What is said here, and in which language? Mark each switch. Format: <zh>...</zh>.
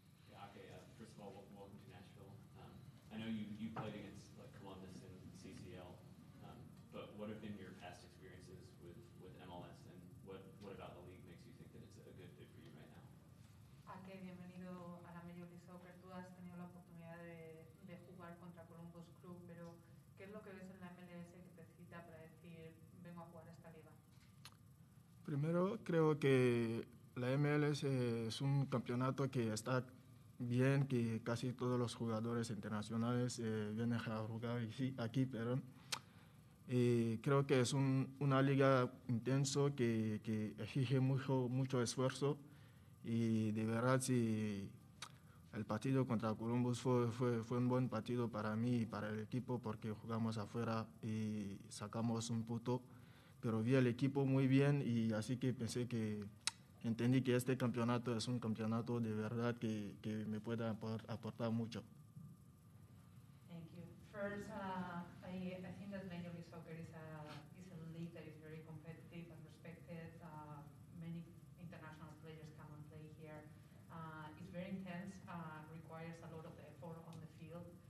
<en>Yeah, okay. First of all, welcome to Nashville. I know you played against like Columbus in CCL, but what have been your past experiences with MLS, and what about the league makes you think that it's a good fit for you right now?</en> <es>Okay, bienvenido a la Major League Soccer. Tú has tenido la oportunidad de jugar contra Columbus Club, pero ¿qué es lo que ves en la MLS que te cita para decir vengo a jugar esta liga? Primero, creo que la MLS es un campeonato que está bien, que casi todos los jugadores internacionales vienen a jugar aquí, pero creo que es una liga intenso que exige mucho, mucho esfuerzo, y de verdad, si el partido contra Columbus fue un buen partido para mí y para el equipo, porque jugamos afuera y sacamos un punto. Pero vi el equipo muy bien y así que pensé que entendí que este campeonato es un campeonato de verdad que me pueda aportar mucho.</es> <en>Thank you. First, I think that Major League Soccer is a league that is very competitive and respected. Many international players come and play here. It's very intense, requires a lot of effort on the field.</en>